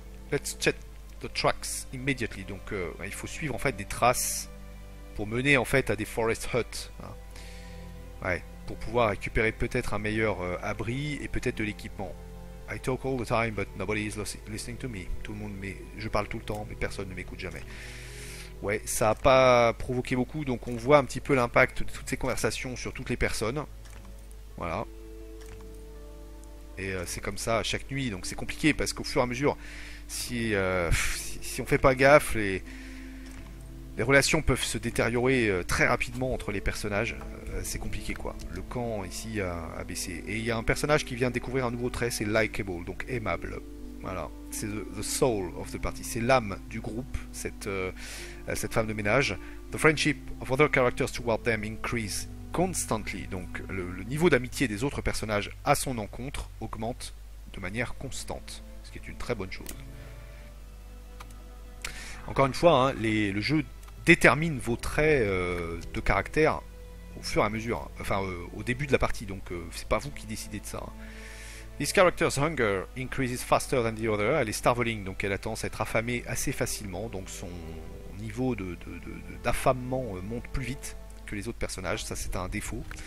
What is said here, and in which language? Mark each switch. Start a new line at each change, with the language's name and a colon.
English: Let's check the tracks immediately.
French: Donc, il faut suivre en fait des traces pour mener en fait à des forest huts. Hein. Ouais, pour pouvoir récupérer peut-être un meilleur abri et peut-être de l'équipement.
English: I talk all the time, but nobody is listening to me.
French: Tout le monde, mais je parle tout le temps, mais personne ne m'écoute jamais. Ouais, ça n'a pas provoqué beaucoup, donc on voit un petit peu l'impact de toutes ces conversations sur toutes les personnes. Voilà. Et c'est comme ça chaque nuit, donc c'est compliqué parce qu'au fur et à mesure, si on fait pas gaffe, les relations peuvent se détériorer très rapidement entre les personnages. C'est compliqué quoi. Le camp ici a baissé. Et il y a un personnage qui vient découvrir un nouveau trait, c'est likable, donc aimable. Voilà. C'est
English: the soul of the party.
French: C'est l'âme du groupe, cette femme de ménage.
English: The friendship of other characters toward them increase constantly.
French: Donc le niveau d'amitié des autres personnages à son encontre augmente de manière constante, ce qui est une très bonne chose. Encore une fois, hein, le jeu détermine vos traits de caractère au fur et à mesure, enfin au début de la partie, donc c'est pas vous qui décidez de ça. Hein.
English: This character's hunger increases faster than the other.
French: Elle est starveling, donc elle a tendance à être affamée assez facilement, donc son niveau d'affamement monte plus vite que les autres personnages, ça c'est un défaut.